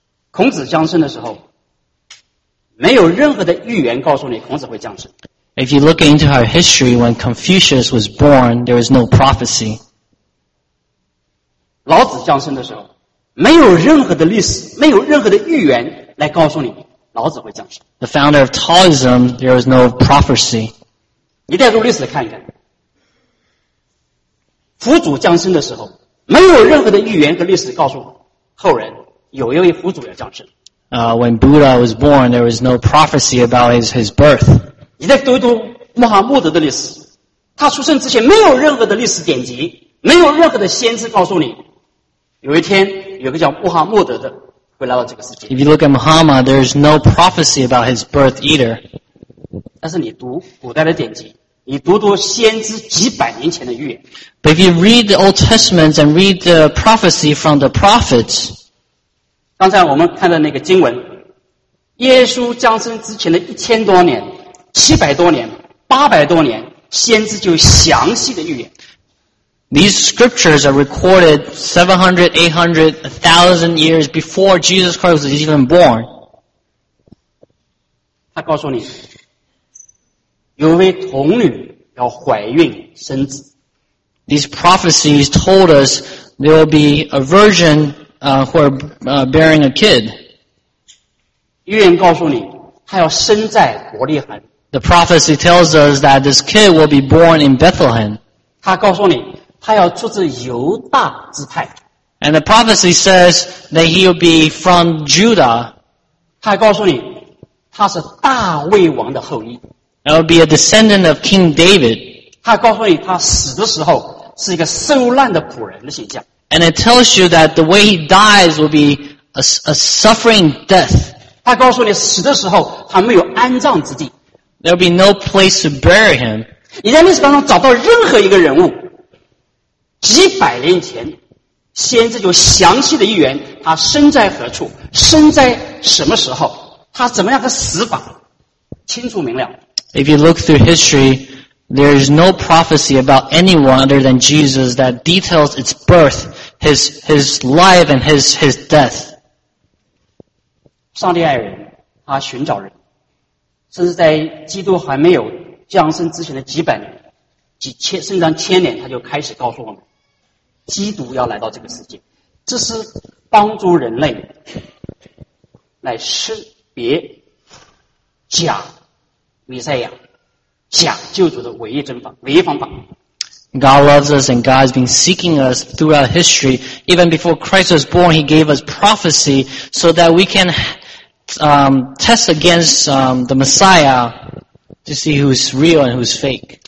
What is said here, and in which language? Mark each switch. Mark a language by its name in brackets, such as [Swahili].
[Chinese] 孔子降生的时候，没有任何的预言告诉你孔子会降生。 [English] If you look into our history, when Confucius was born, there was no prophecy. [Chinese] 老子降生的时候，没有任何的历史，没有任何的预言来告诉你。老子会降生。 [English] The founder of Taoism, there is no prophecy. [Chinese] 你带入历史看一看。佛祖降生的时候，没有任何的预言和历史告诉后人有一位佛祖要降生。 [English] When Buddha was born, there was no prophecy about his birth. [Chinese] 你再读一读穆罕默德的历史，他出生之前没有任何的历史典籍，没有任何的先知告诉你，有一天有个叫穆罕默德的。 [English] If you look at Muhammad, there is no prophecy about his birth either. [Chinese] 但是你读古代的典籍，你读读先知几百年前的预言。 [English] But if you read the Old Testament and read the prophecy from the prophets, [Chinese] 刚才我们看的那个经文，耶稣降生之前的一千多年、七百多年、八百多年，先知就详细的预言。 [English] These scriptures are recorded 700, 800, 1,000 years before Jesus Christ was even born. [Chinese] 他告诉你，有位童女要怀孕生子。 [English] These prophecies told us there will be a virgin bearing a kid. [Chinese] 预言告诉你，他要生在伯利恒。 [English] The prophecy tells us that this kid will be born in Bethlehem. [Chinese] 他告诉你他要出自犹大支派。 [English] And the prophecy says that he'll be from Judah. [Chinese] 他还告诉你，他是大卫王的后裔。 [English] And he'll be a descendant of King David. [Chinese] 他还告诉你，他死的时候是一个受难的仆人的形象。 [English] And it tells you that the way he dies will be a suffering death. [Chinese] 他告诉你，死的时候他没有安葬之地。 [English] There'll be no place to bury him. [Chinese] 你在历史当中找到任何一个人物。几百年前先知就详细的预言他生在何处，生在什么时候，他怎么样的死法，清楚明了。 [English] If you look through history, there is no prophecy about anyone other than Jesus that details its birth, his life and his death. [Chinese] 上帝爱人，他寻找人，甚至在基督还没有降生之前的几百年，几千甚至上千年，他就开始告诉我们基督要来到这个世界，这是帮助人类来识别假弥赛亚、假救主的唯一真法、唯一方法。 [English] God loves us and God has been seeking us throughout history. Even before Christ was born, He gave us prophecy so that we can test against the Messiah to see who's real and who's fake.